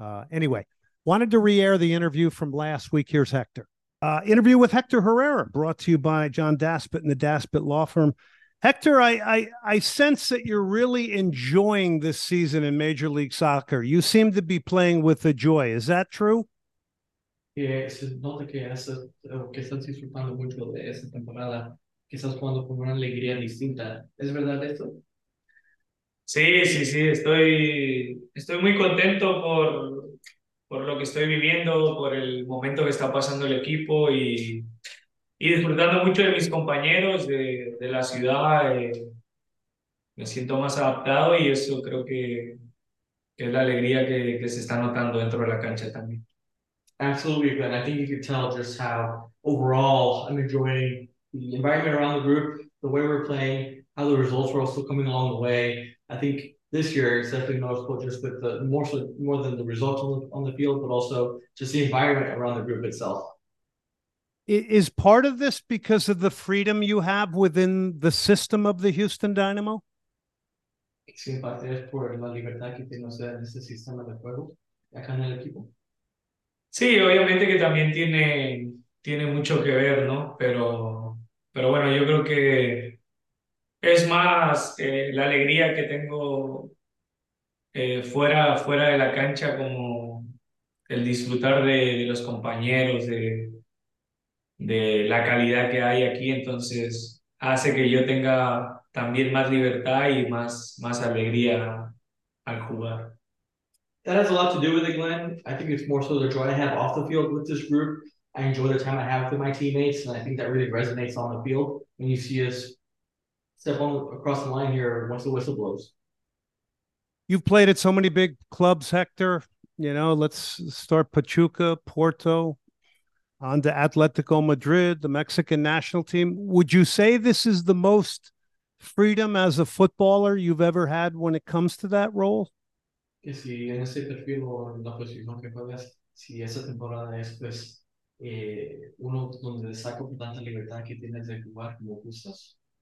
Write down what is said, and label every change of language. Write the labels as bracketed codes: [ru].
[en] Anyway, wanted to re-air the interview from last week. Here's Hector. Interview with Hector Herrera, brought to you by John Daspit and the Daspit Law Firm. Hector, I sense that you're really enjoying this season in Major League Soccer. You seem to be playing with a joy. Is that true? [es] Yeah, es no te creas que estás disfrutando mucho de esta temporada, que estás jugando con una alegría distinta. ¿Es verdad esto? Sí. Estoy muy contento por lo que estoy viviendo, por el momento que está pasando el equipo y disfrutando mucho de mis compañeros de la ciudad. Me siento más adaptado y eso creo que es la alegría que se está notando dentro de la cancha también. [en] Absolutely, Ben. I think you can tell just how overall I'm enjoying the environment around the group, the way we're playing, how the results were also coming along the way. I think this year it's definitely noticeable just with the more than the results on the field, but also just the environment around the group itself. Is part of this because of the freedom you have within the system of the Houston Dynamo? [es] Sí, obviamente que también tiene mucho que ver, ¿no? Pero bueno, yo creo que es más la alegría que tengo fuera de la cancha, como el disfrutar de los compañeros, de la calidad que hay aquí. Entonces hace que yo tenga también más libertad y más alegría al jugar. [en] That has a lot to do with it, Glenn. I think it's more so the joy I have off the field with this group. I enjoy the time I have with my teammates, and I think that really resonates on the field when you see us step on across the line here once the whistle blows. You've played at so many big clubs, Hector. You know, let's start Pachuca, Porto, on to Atletico Madrid, the Mexican national team. Would you say this is the most freedom as a footballer you've ever had when it comes to that role? [es] Que si en ese perfil o en la posición que juegas, si esa temporada es pues uno donde saco tanta libertad que tienes de jugar como gustas.